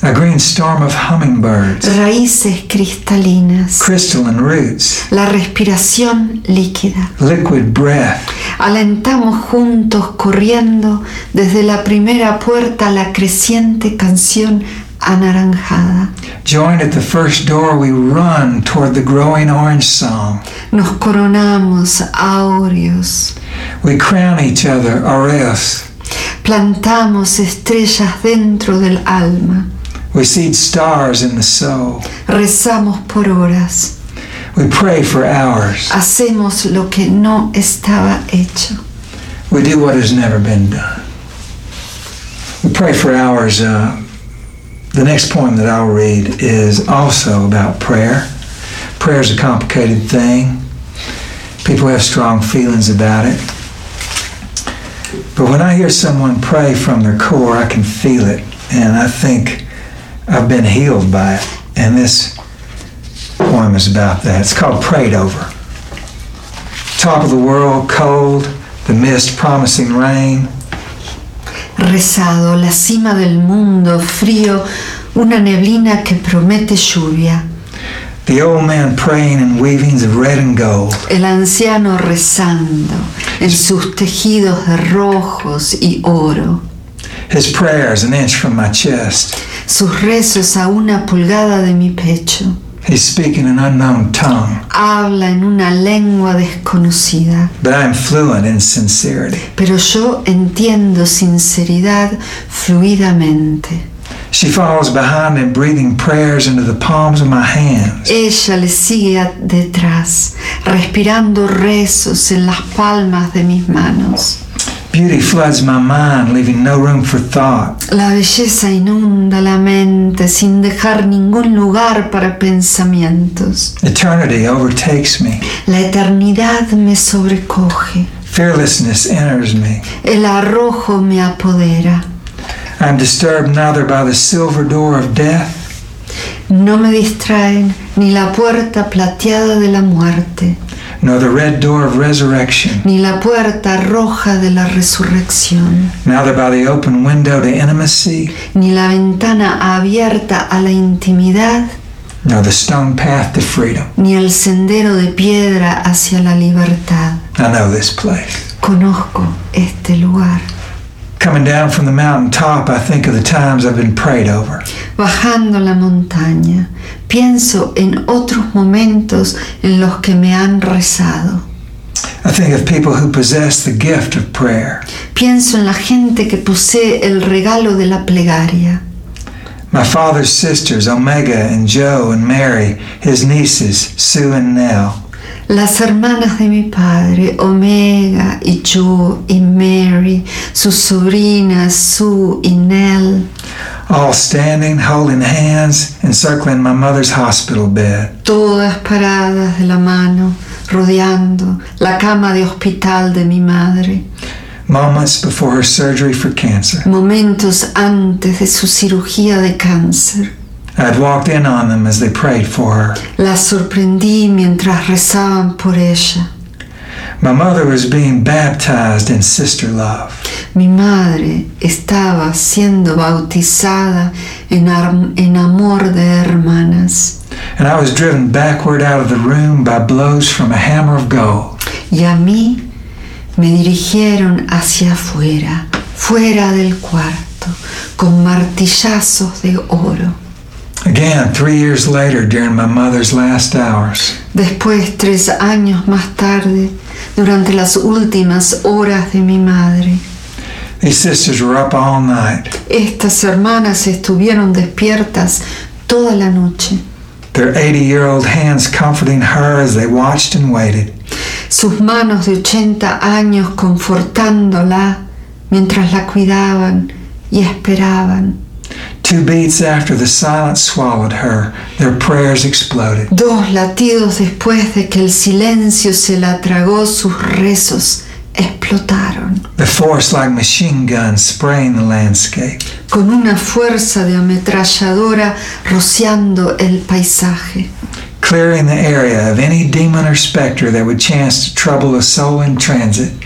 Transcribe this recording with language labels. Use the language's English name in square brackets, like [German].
[English] A green storm of hummingbirds. [Spanish] Raíces cristalinas. [English] Crystalline roots. [Spanish] La respiración líquida. [English] Liquid breath. [Spanish] Alentamos juntos corriendo desde la primera puerta a la creciente canción anaranjada. [English] Joined at the first door, we run toward the growing orange song. [Spanish] Nos coronamos áureos. [English] We crown each other aureus. [Spanish] Plantamos estrellas dentro del alma. [English] We seed stars in the soul. [Spanish] Rezamos por horas. [English] We pray for hours. [Spanish] Hacemos lo que no estaba hecho. [English] We do what has never been done. We pray for hours. The next poem that I'll read is also about prayer. Prayer is a complicated thing. People have strong feelings about it. But when I hear someone pray from their core, I can feel it. And I think I've been healed by it. And this poem is about that. It's called Prayed Over. Top of the world, cold, the mist promising rain. [Spanish] Rezado, la cima del mundo, frío, una neblina que promete lluvia. [English] The old man praying in weavings of red and gold. [Spanish] El anciano rezando en sus tejidos de rojos y oro. [English] His prayers an inch from my chest. [Spanish] Sus rezos a una pulgada de mi pecho. [English] He's speaking an unknown tongue. [Spanish] Habla en una lengua desconocida. [English] But I am fluent in sincerity. [Spanish] Pero yo entiendo sinceridad fluidamente. [English] She follows behind me, breathing prayers into the palms of my hands. [Spanish] Ella le sigue detrás, respirando rezos en las palmas de mis manos. [English] Beauty floods my mind, leaving no room for thought. [Spanish] La belleza inunda la mente sin dejar ningún lugar para pensamientos. [English] Eternity overtakes me. [Spanish] La eternidad me sobrecoge. [English] Fearlessness enters me. [Spanish] El arrojo me apodera. [English] I am disturbed neither by the silver door of death. [Spanish] No me distraen ni la puerta plateada de la muerte. [English] Nor the red door of resurrection. [Spanish] Ni la puerta roja de la resurrección. [English] Neither by the open window to intimacy. [Spanish] Ni la ventana abierta a la intimidad. [English] Nor the stone path to freedom. [Spanish] Ni el sendero de piedra hacia la libertad. [English] I know this place. [Spanish] Conozco este lugar. [English] Coming down from the mountain top, I think of the times I've been prayed over. [Spanish] Bajando la montaña, pienso en otros momentos en los que me han rezado. [English] I think of people who possess the gift of prayer. [Spanish] Pienso en la gente que posee el regalo de la plegaria. [English] My father's sisters, Omega and Joe and Mary, his nieces, Sue and Nell. [Spanish] Las hermanas de mi padre, Omega y Joe y Mary, sus sobrinas, Sue y Nell. [English] All standing, holding hands, encircling my mother's hospital bed. [Spanish] Todas paradas de la mano, rodeando la cama de hospital de mi madre. [English] Moments before her surgery for cancer. [Spanish] Momentos antes de su cirugía de cáncer. [English] I'd walked in on them as they prayed for her. [Spanish] La sorprendí mientras rezaban por ella. [English] My mother was being baptized in sister love. [Spanish] Mi madre estaba siendo bautizada en amor de hermanas. [English] And I was driven backward out of the room by blows from a hammer of gold. [Spanish] Y a mí me dirigieron hacia afuera, fuera del cuarto, con martillazos de oro. [English] Again, 3 years later, during my mother's last hours. [Spanish] Después, 3 años más tarde, durante las últimas horas de mi madre. [English] These sisters were up all night. [Spanish] Estas hermanas estuvieron despiertas toda la noche. [English] Their 80-year-old hands comforting her as they watched and waited. [Spanish] Sus manos de 80 años confortándola mientras la cuidaban y esperaban. [English] 2 beats after the silence swallowed her, their prayers exploded. [Spanish] 2 latidos después de que el silencio se la tragó, sus rezos explotaron. [English] The force like machine guns spraying the landscape. [Spanish] Con una fuerza de ametralladora rociando el paisaje. [English] Clearing the area of any demon or specter that would chance to trouble a soul in transit.